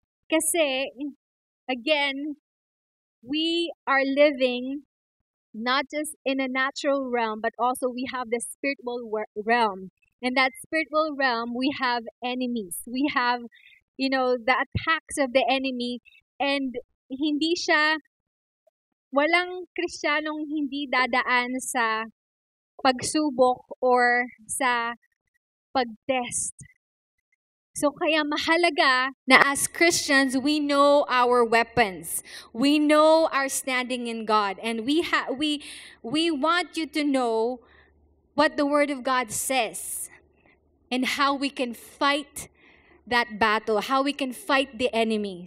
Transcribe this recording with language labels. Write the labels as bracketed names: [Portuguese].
[English] Kasi, again, we are living not just in a natural realm, but also we have the spiritual realm. In that spiritual realm, we have enemies. We have, you know, the attacks of the enemy. [Filipino] And hindi siya, walang Kristiyanong hindi dadaan sa pagsubok or sa pagtest. [English] So [Filipino] kaya mahalaga na [English] as Christians, we know our weapons. We know our standing in God. And we want you to know what the Word of God says and how we can fight that battle, how we can fight the enemy.